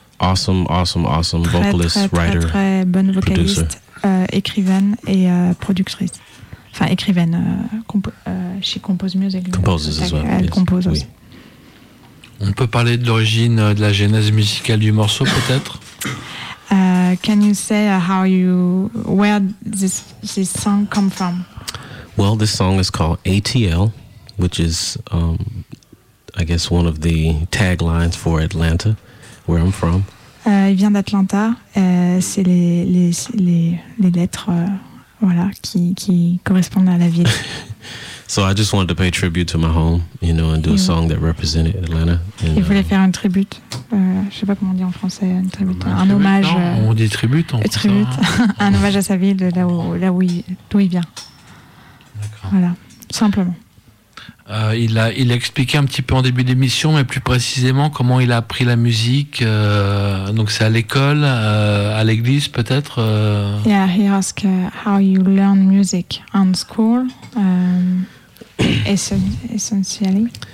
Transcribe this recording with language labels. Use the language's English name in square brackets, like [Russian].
[English] Awesome vocalist, writer, [French] très bonne vocaliste, écrivaine et productrice. Enfin, écrivaine, [English] she composes music. Composes [French] aussi. On peut parler de l'origine, de la genèse musicale du morceau, peut-être. [English] Can you say how you, where this song come from? Well, this song is called ATL, which is, I guess, one of the taglines for Atlanta, where I'm from. [French] Il vient d'Atlanta. C'est les lettres. Voilà, qui correspondent à la ville. So I just wanted to pay tribute to my home, you know, and do a song that represented Atlanta. Il voulait faire une tribute. Je sais pas comment on dit en français, une tribute. Un hommage. Non, on dit tribute en français. Tribute. Un hommage à sa ville, de d'où il vient. D'accord. Voilà, simplement. Il a expliqué un petit peu en début d'émission, mais plus précisément comment il a appris la musique. Donc c'est à l'école, à l'église peut-être. [English] Yeah, he asked how you learn music in school, essentially.